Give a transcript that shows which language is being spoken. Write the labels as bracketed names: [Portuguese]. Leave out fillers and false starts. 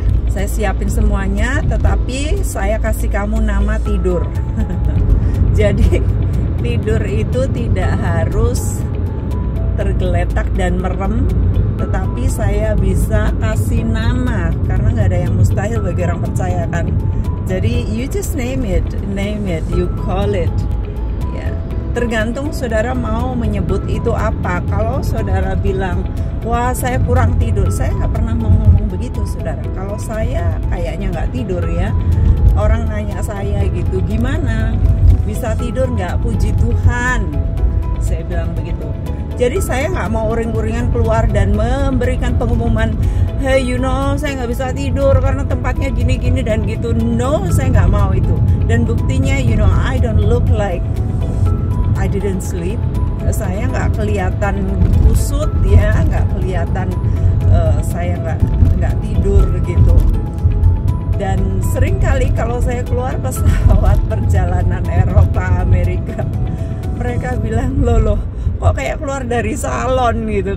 [Indonesian] Saya siapin semuanya, tetapi saya kasih kamu nama tidur." Jadi tidur itu tidak harus tergeletak dan merem, tetapi saya bisa kasih nama, karena gak ada yang mustahil bagi orang percaya kan. [English] Jadi you just name it, you call it. [Indonesian] Tergantung saudara mau menyebut itu apa. Kalau saudara bilang, "Wah, saya kurang tidur." Saya gak pernah ngomong begitu, saudara. Kalau saya kayaknya gak tidur ya. Orang nanya saya gitu, "Gimana? Bisa tidur gak? Puji Tuhan." Saya bilang begitu. Jadi saya gak mau uring-uringan keluar dan memberikan pengumuman, [English] "Hey, you know, [Indonesian] saya gak bisa tidur karena tempatnya gini-gini dan gitu." No, saya gak mau itu. Dan buktinya, [English] you know, I don't look like I didn't sleep. [Indonesian] Saya nggak kelihatan kusut ya, nggak kelihatan saya nggak tidur gitu. Dan sering kali kalau saya keluar pesawat perjalanan Eropa Amerika, mereka bilang, "Loh, kok kayak keluar dari salon gitu?"